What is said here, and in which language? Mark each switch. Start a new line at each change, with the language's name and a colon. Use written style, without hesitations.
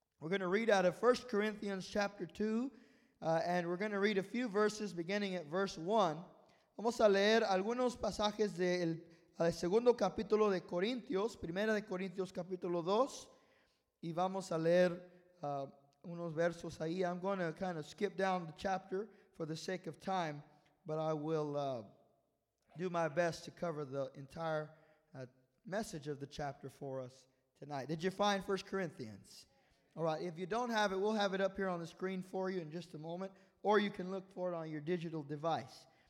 English: We're going to read out of 1 Corinthians chapter 2, and we're going to read a few verses beginning at verse 1.
Spanish: Vamos a leer algunos pasajes del segundo capítulo de Corintios, primera de Corintios capítulo 2, y vamos a leer unos versos ahí.
English: I'm going to kind of skip down the chapter for the sake of time, but I will do my best to cover the entire message of the chapter for us tonight. Did you find 1 Corinthians? All right, if you don't have it, we'll have it up here on the screen for you in just a moment, or you can look for it on your digital device.